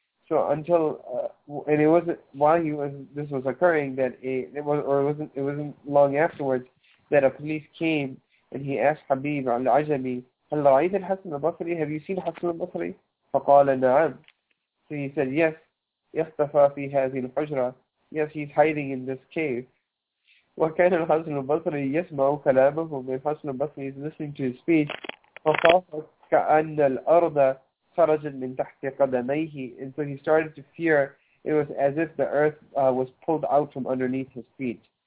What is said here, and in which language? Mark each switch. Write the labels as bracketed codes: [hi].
[en] So until, and it wasn't, while he was, this was occurring, that it wasn't long afterwards, that a police came, and he asked Habib al-Ajami, [ar] هل رأيت الحسن البصري? [en] Have you seen الحسن البصري? [ar] فقال نعم. [en] So he said, yes, [ar] يختفى في هذه الحجرة. [en] Yes, he's hiding in this cave. [ar] وكان الحسن البصري يسمع كلامه. [en] الحسن البصري is listening to his speech. [ar] فصافت كأن الأرض خرجت من تحت قدميه. [en] And so he started to fear. It was as if the earth was pulled out from underneath his feet.